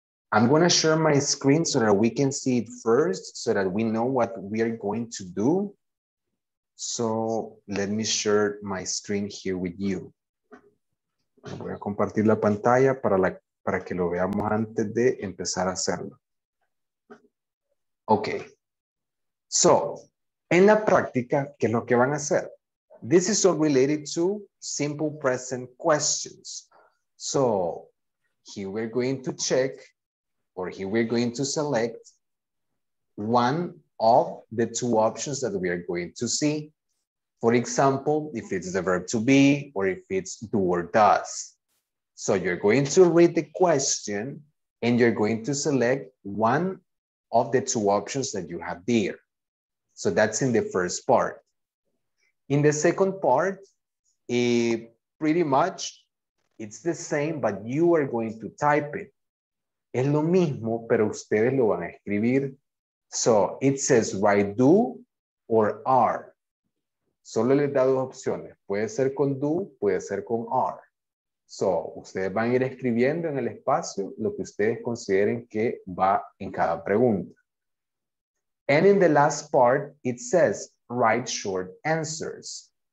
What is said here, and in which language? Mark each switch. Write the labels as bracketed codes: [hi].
[en] I'm gonna share my screen so that we can see it first, so that we know what we are going to do. So let me share my screen here with you. [es] Voy a compartir la pantalla para que lo veamos antes de empezar a hacerlo. Okay. So, en la práctica, ¿qué es lo que van a hacer? [en] This is all related to simple present questions. So, here we're going to check, or here we're going to select one of the two options that we are going to see. For example, if it's the verb to be or if it's do or does. So you're going to read the question and you're going to select one of the two options that you have there. So that's in the first part. In the second part, pretty much it's the same, but you are going to type it. [es] Es lo mismo, pero ustedes lo van a escribir. [en] So it says write do or are. [es] Solo les da dos opciones. Puede ser con do, puede ser con are. So ustedes van a ir escribiendo en el espacio lo que ustedes consideren que va en cada pregunta. [en] And in the last part, it says write short answers.